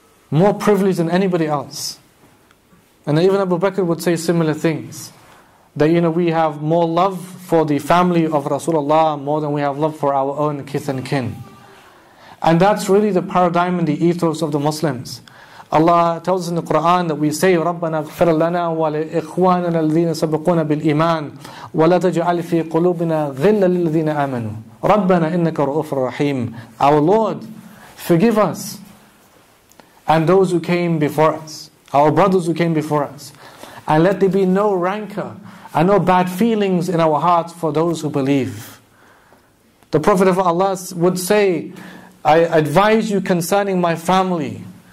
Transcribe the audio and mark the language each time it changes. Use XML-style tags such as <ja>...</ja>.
<en>More privileged than anybody else." And even Abu Bakr would say similar things, that, you know, we have more love for the family of Rasulullah more than we have love for our own kith and kin. And that's really the paradigm and the ethos of the Muslims. Allah tells us in the Quran that we say,</en> <ar>رَبَّنَا اغْفِرَ لَنَا وَلِإِخْوَانَنَا الَّذِينَ سَبَقُونَ بِالْإِمَانِ وَلَا تَجْعَلْ فِي قُلُوبِنَا غِلَّ لِلَّذِينَ آمَنُوا رَبَّنَا إِنَّكَ رَؤُوفٌ رَحِيمٌ.</ar> <en>Our Lord, forgive us and those who came before us, our brothers who came before us, and let there be no rancor and no bad feelings in our hearts for those who believe. The Prophet of Allah would say, "I advise you concerning my family."</en>